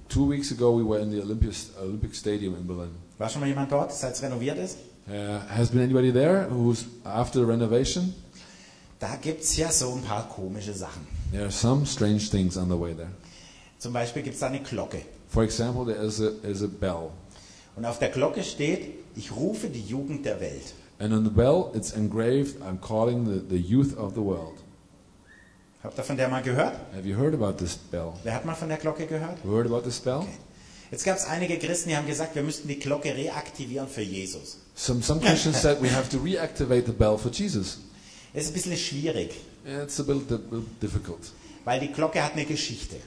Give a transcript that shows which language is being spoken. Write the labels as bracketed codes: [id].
[en] 2 weeks ago we were in the Olympic Stadium in Berlin. [de] War schon mal jemand dort, seit es renoviert ist? [en] Has been anybody there who's after the renovation? [de] Da gibt's ja so ein paar komische Sachen. [en] There are some strange things on the way there. [de] Zum Beispiel gibt's da eine Glocke. [en] For example, there is a bell. [de] Und auf der Glocke steht: Ich rufe die Jugend der Welt. [en] And on the bell it's engraved, I'm calling the youth of the world. [de] Habt ihr von der mal gehört? [en] Have you heard about this bell? [de] Wer hat mal von der Glocke gehört? [en] You heard about this bell? Okay. [de] Jetzt gab es einige Christen, die haben gesagt, wir müssten die Glocke reaktivieren für Jesus. [en] Some Christians said we have to reactivate the bell for Jesus. [de] Es ist ein bisschen schwierig. [en] It's a little difficult. [de] Weil die Glocke hat eine Geschichte.